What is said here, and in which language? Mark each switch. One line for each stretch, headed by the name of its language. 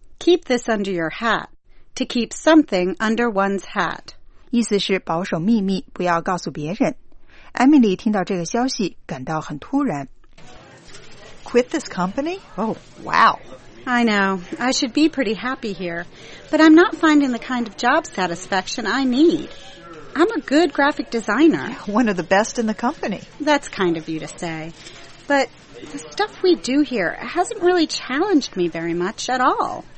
English: Keep this under your hat To keep something under one's hat
Chinese: 意思是保守秘密不要告诉别人 Emily 听到这个消息感到很突然
English: Quit this company? Oh, wow! I know, I should be pretty happy here, but I'm not finding the kind of job satisfaction I need. I'm a good graphic designer. One of the best in the company. That's kind of you to say. But the stuff we do here hasn't really challenged me very much at all.